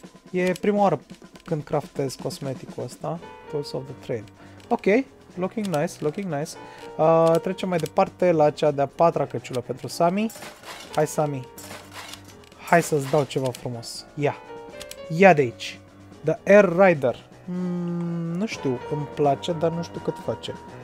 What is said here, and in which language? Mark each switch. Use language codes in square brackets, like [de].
[ro] E prima oară când craftez cosmeticul ăsta. [en] Tools of the Trade. Ok, looking nice, looking nice. [ro] Trecem mai departe la cea de-a patra căciulă pentru Sami. Hai, Sami. Hai să-ți dau ceva frumos. Ia. Ia de aici. The Air Rider. Nu știu, îmi place, dar nu știu cât face.